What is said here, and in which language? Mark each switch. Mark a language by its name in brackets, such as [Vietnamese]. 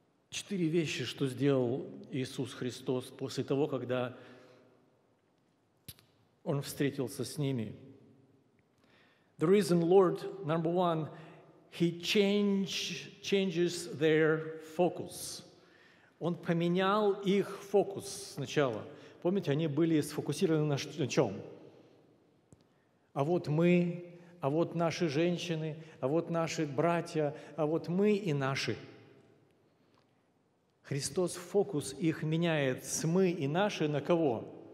[Russian] Четыре вещи, что сделал Иисус Христос после того, когда Он встретился с ними. [English] The reason, Lord, number one, He changes their focus. [Russian] Он поменял их фокус сначала. Помните, они были сфокусированы на чем? А вот мы, а вот наши женщины, а вот наши братья, а вот мы и наши. Христос фокус их меняет с «мы» и «наши» на кого?